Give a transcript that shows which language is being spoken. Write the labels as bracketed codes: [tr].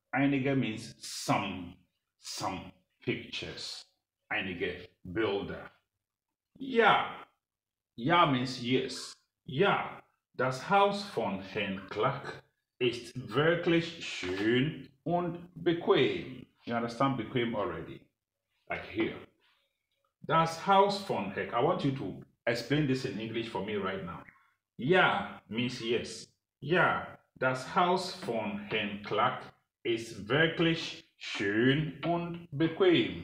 [en] Einige means some pictures, einige Bilder. [de] Ja means yes. Ja, das Haus von Herrn Clark ist wirklich schön und bequem. [en] You understand bequem already? Like here. Das Haus von Herrn Clark. I want you to explain this in English for me right now. Ja means yes. [de] Ja, das Haus von Herrn Clark ist wirklich schön und bequem.